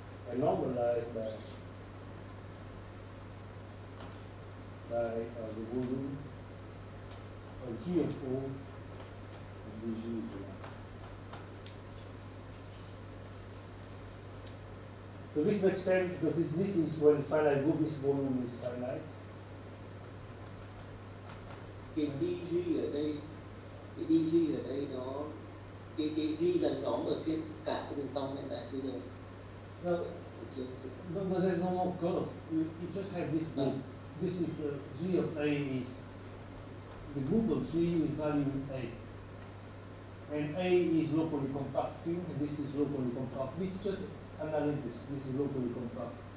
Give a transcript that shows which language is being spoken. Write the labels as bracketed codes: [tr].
[en] And normalized by the volume of G of O, and Vg is 1. So this makes sense because this is when finite group, this volume is finite. [vi] Cái dg ở đây, cái dg ở đây nó, cái g là nó ở trên cả cái đường cong hiện tại bây giờ. [en] No, but there's no more curve. You just have this group. No. This is the g of a is the group of g with value a. And a is locally compact field. This is locally compact. This is just analysis. This is locally compact.